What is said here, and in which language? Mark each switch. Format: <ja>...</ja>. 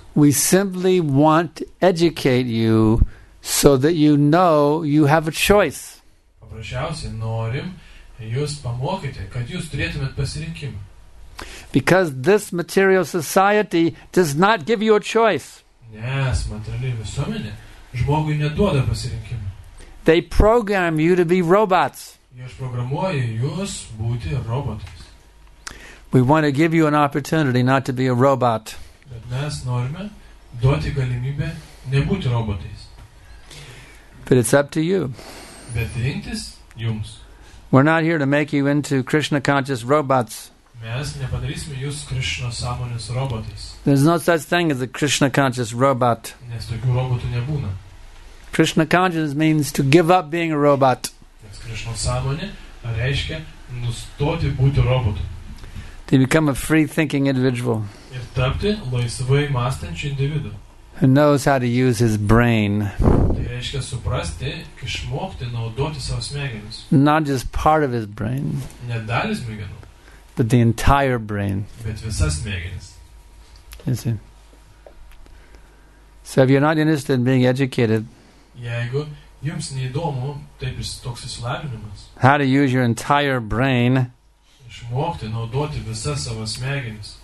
<en>We simply want to educate you so that you know you have a choice.</en> <lt>Paprasčiausiai norim jūs pamokyti, kad jūs turėtumėt pasirinkimą.</lt> <en>Because this material society does not give you a choice.</en> <lt>Nes materialiai visuomenė žmogui neduoda pasirinkimą.</lt> <en>They program you to be robots.</en> <lt>Jūs programuoja jūs būti robotais.</lt> <en>We want to give you an opportunity not to be a robot.</en> <lt>Bet mes norime duoti galimybę nebūti robotais.</lt> <en>But it's up to you.</en> <lt>Bet rinktis jums.</lt> <en>We're not here to make you into Krishna conscious robots.</en> <lt>Mes nepadarysime jūs Krishna sąmonės robotais.</lt> <en>There's no such thing as a Krishna conscious robot.</en> <lt>Nes tokių robotų nebūna.</lt> <en>Krishna conscious means to give up being a robot.</en> <lt>Nes Krishna sąmonė reiškia nustoti būti robotu.</lt> <en>To become a free thinking individual.</en> <lt>Ir tapti laisvai mąstančiu individu.</lt> <en>Who knows how to use his brain.</en> <lt>Tai reiškia suprasti, išmokti naudoti savo smegenis.</lt> <en>Not just part of his brain.</en> <lt>Ne dalis smegenų.</lt> <en>But the entire brain.</en> <lt>Bet visas smegenis.</lt> <en>You see. So if you're not interested in being educated,</en> <lt>jeigu jums neįdomu, taip ir toks išsilavinimas.</lt> <en>How to use your entire brain.</en> <lt>Išmokti naudoti visas savo smegenis.</lt>